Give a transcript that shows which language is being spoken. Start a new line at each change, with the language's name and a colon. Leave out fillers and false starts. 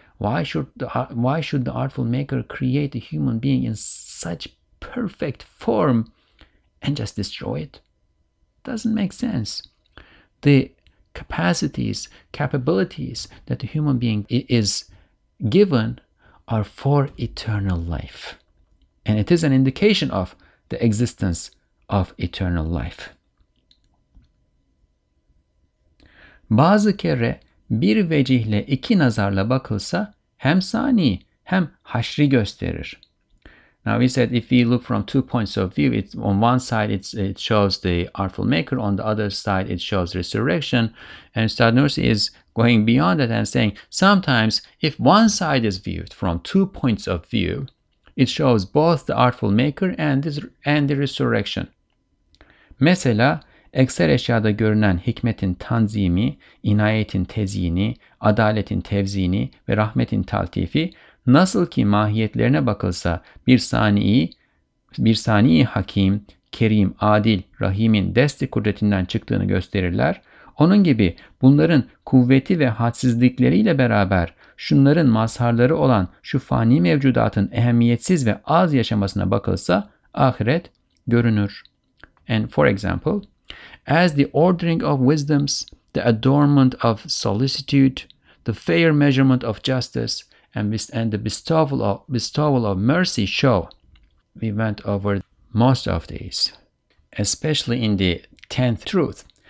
English: Why should the artful maker create a human being in such perfect form and just destroy it? Doesn't make sense. The capabilities that the human being is given are for eternal life. And it is an indication of the existence of eternal life.
Turkish: Bazı kere bir vecihle iki nazarla bakılsa hem sani hem haşri gösterir.
English: Now we said if we look from two points of view, it's on one side it shows the artful maker, on the other side it shows resurrection. And Ustad Nursi is going beyond that and saying sometimes if one side is viewed from two points of view, it shows both the artful maker and the resurrection.
Turkish: Mesela ekser eşyada görünen hikmetin tanzimi, inayetin tezyini, adaletin tevzini ve rahmetin taltifi nasıl ki mahiyetlerine bakılsa bir sani'i hakim, kerim, adil, rahimin desti kudretinden çıktığını gösterirler. Onun gibi bunların kuvveti ve hadsizlikleriyle beraber şunların mazharları olan şu fani mevcudatın ehemmiyetsiz ve az yaşamasına bakılsa ahiret görünür.
English: And for example, as the ordering of wisdoms, the adornment of solicitude, the fair measurement of justice, and the bestowal of mercy show. We went over most of these, especially in the 10th truth.